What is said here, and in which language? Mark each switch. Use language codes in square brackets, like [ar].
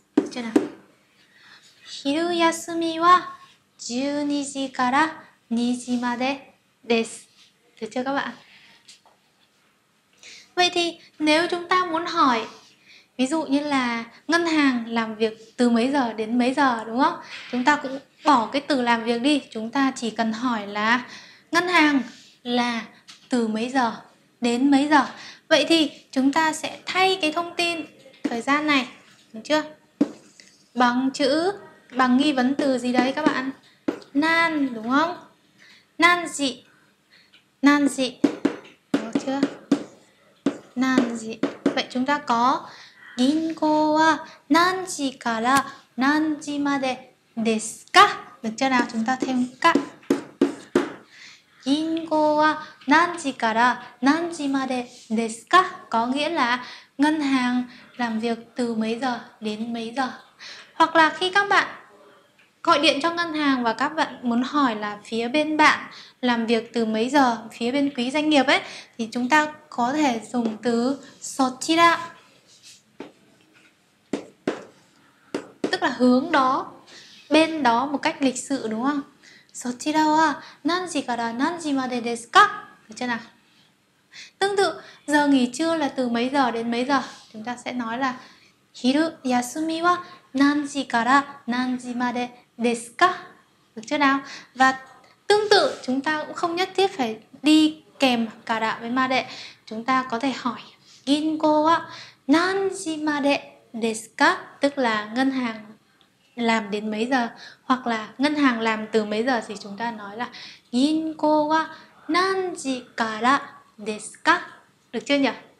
[ja] じゃあ、昼休みは12時から2時までです。で、じゃあ、かば。 [vi] Vậy thì, nếu chúng ta muốn hỏi ví dụ như là ngân hàng làm việc từ mấy giờ đến mấy giờ, đúng không? Chúng ta cũng bỏ cái từ làm việc đi. Chúng ta chỉ cần hỏi là ngân hàng là từ mấy giờ đến mấy giờ. Vậy thì chúng ta sẽ thay cái thông tin thời gian này, đúng chưa? Bằng chữ, bằng nghi vấn từ gì đấy các bạn? Nan, đúng không? Nan gì? Nan gì? Đúng chưa? Nan gì? Vậy chúng ta có [ja] 銀行は何時から何時までですか? [vi] Được chưa nào? Chúng ta thêm か. [ja] 銀行は何時から何時までですか? [vi] Có nghĩa là ngân hàng làm việc từ mấy giờ đến mấy giờ. Hoặc là khi các bạn gọi điện cho ngân hàng và các bạn muốn hỏi là phía bên bạn làm việc từ mấy giờ, phía bên quý doanh nghiệp ấy, thì chúng ta có thể dùng từ そちら. Tức là hướng đó, bên đó một cách lịch sự đúng không? [ja] そちらは何時から何時までですか? [vi] Được chưa nào? Tương tự, giờ nghỉ trưa là từ mấy giờ đến mấy giờ? Chúng ta sẽ nói là [ja] 昼休みは何時から何時までですか? [vi] Được chưa nào? Và tương tự, chúng ta cũng không nhất thiết phải đi kèm から với made. Chúng ta có thể hỏi [ja] 銀行は何時までですか? [vi] Tức là ngân hàng làm đến mấy giờ, hoặc là ngân hàng làm từ mấy giờ thì chúng ta nói là [ja] 銀行は何時からですか? [vi] Được chưa nhỉ?